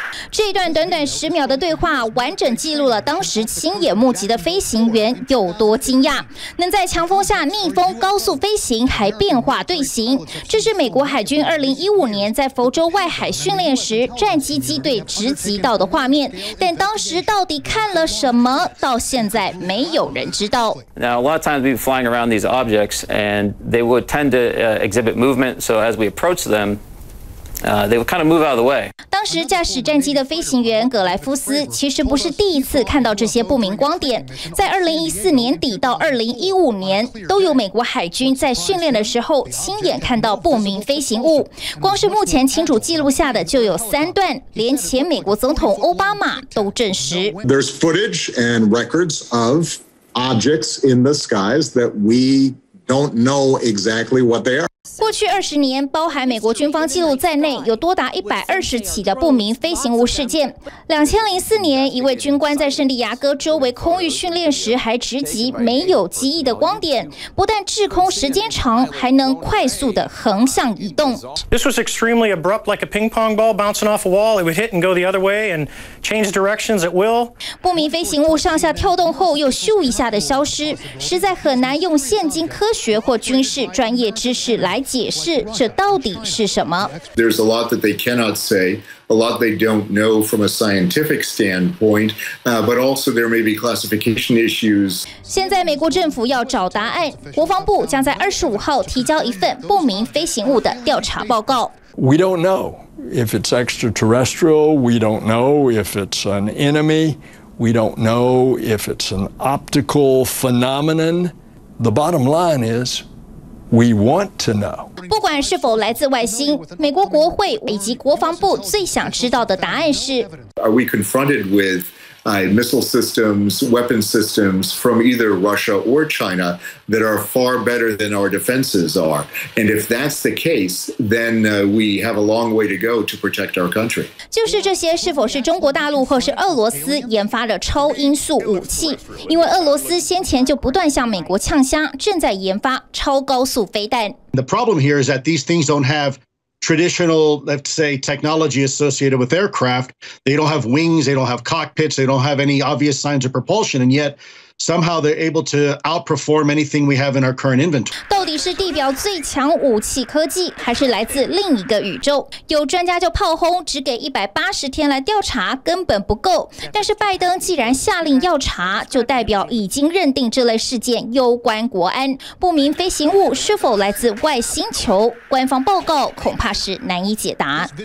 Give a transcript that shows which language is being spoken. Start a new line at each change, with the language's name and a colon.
Chinese: 这段短短十秒的对话完整记录了当时亲眼目击的飞行员有多惊讶，能在强风下逆风高速飞行还变化队形。这是美国海军2015年在佛州外海训练时战机机队直击到的画面，但当时到底看了什么到现在没有人知道。
English: Now a lot of times we've been flying around these objects and they would tend to exhibit movement, so as we approach themthey would kind of move out of the way.
Chinese: 当时驾驶战机的飞行员葛莱夫斯其实不是第一次看到这些不明光点，在2014年底到2015年都有美国海军在训练的时候亲眼看到不明飞行物，光是目前清楚记录下的就有三段，连前美国总统奥巴马都证实。
English: There's footage and records of objects in the skies that we don't know exactly what they are.
Chinese: 过去二十年，包含美国军方记录在内，有多达120起的不明飞行物事件。 2004年，一位军官在圣地亚哥周围空域训练时，还直击没有机翼的光点，不但滞空时间长，还能快速的横向移动。
English: This was extremely abrupt, like a ping pong ball bouncing off a wall. It would hit and go the other way and change directions at will.
Chinese: 不明飞行物上下跳动后又咻一下的消失，实在很难用现今科学或军事专业知识来解释这到底是什么。
English: There's a lot that they cannot say, a lot they don't know from a scientific standpoint, but also there may be classification issues.
Chinese: 现在美国政府要找答案，国防部将在25号提交一份不明飞行物的调查报告。
English: We don't know if it's extraterrestrial, we don't know if it's an enemy, we don't know if it's an optical phenomenon. The bottom line is, We want to know.
Chinese: 不管是否来自外星，美国国会以及国防部最想知道的答案是
English: ：Are we confronted with missile systems, weapon systems from either Russia or China that are far better than our defenses are? And if that's the case, then we have a long way to go to protect our country.
Chinese: 就是这些是否是中国大陆或是俄罗斯研发的超音速武器？因为俄罗斯先前就不断向美国呛虾，正在研发超高速飞弹。
English: The problem here is that these things don't have traditional, let's say, technology associated with aircraft. They don't have wings, they don't have cockpits, they don't have any obvious signs of propulsion, and yet somehow they're able to outperform anything we have in our current inventory.
Chinese: 到底是地表最强武器科技，还是来自另一个宇宙？有专家就炮轰，只给180天来调查根本不够。但是拜登既然下令要查，就代表已经认定这类事件攸关国安。不明飞行物是否来自外星球？官方报告恐怕是难以解答。